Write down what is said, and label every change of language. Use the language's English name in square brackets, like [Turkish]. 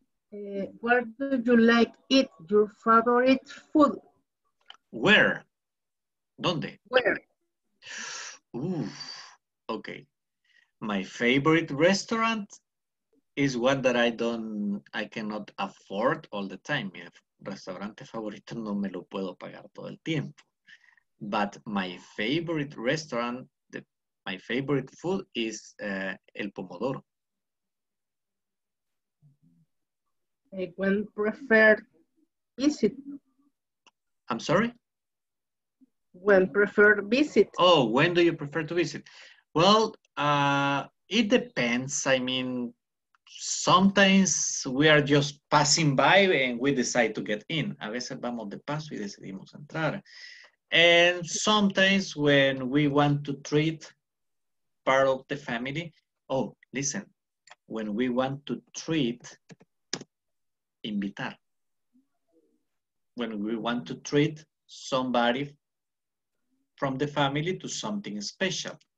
[English] Where do you like eat your favorite food? Where? Donde? Where? Ooh, okay. My favorite restaurant is one that I cannot afford all the time. [Spanish] Mi restaurante favorito no me lo puedo pagar todo el tiempo. [English] But my favorite restaurant, my favorite food is el pomodoro. When preferred visit? I'm sorry? When preferred visit? Oh, when do you prefer to visit? Well, it depends. I mean, sometimes we are just passing by and we decide to get in. [Spanish] A veces vamos de paso y decidimos entrar. [English] And sometimes when we want to treat part of the family. Oh, listen, when we want to treat, invitar. When we want to treat somebody from the family to something special.